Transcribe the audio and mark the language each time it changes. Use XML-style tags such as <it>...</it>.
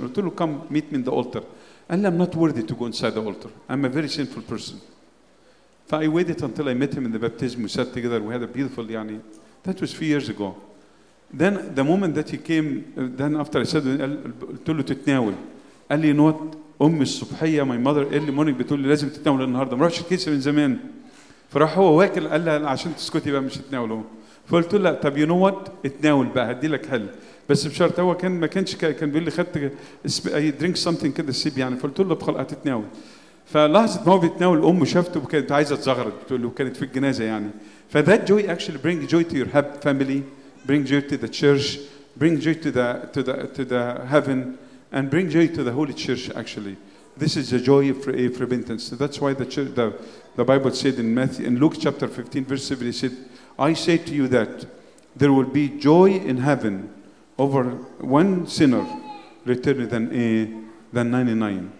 <ar>قلت له,</ar> <en>come meet me in the altar.</en> <ar>قال لي,</ar> <en>I'm not worthy to go inside the altar. I'm a very sinful person. I waited until I met him in the baptism. We sat together. We had a beautiful يعني. That was 3 years ago. Then the moment that he came, then after I said,</en> <ar>قلت له تتناول. قال لي,</ar> <en>you know what,</en> <ar>أمي الصبحية,</ar> <en>my mother early morning</en> <ar>بتقول لي لازم تتناول النهاردة, ما روحش الكنيسة من زمان. فراح هو واكل, قال لها عشان تسكتي بقى مش تتناوله. فقلت له, طب</ar> <en>you know what,</en> <ar>اتناول بقى, هدي لك حل. بس بشرط, هو كان ما كانش كان بيقول لي خدت اي درينك سمثينج كده سيب يعني. فقلت له, بخلق هتتناول. فلاحظت ما هو بيتناول, أمه شافته وكانت عايزة تزغرت, بتقول له, كانت في الجنازة يعني.</ar> <en>ف that joy actually bring joy to your family, bring joy to the church, bring joy to the heaven. And bring joy to the Holy Church, actually. This is the joy of repentance. That's why the church, the Bible said in Matthew, in Luke chapter 15, verse 7, he said, I say to you that there will be joy in heaven over one sinner returning than 99.</en>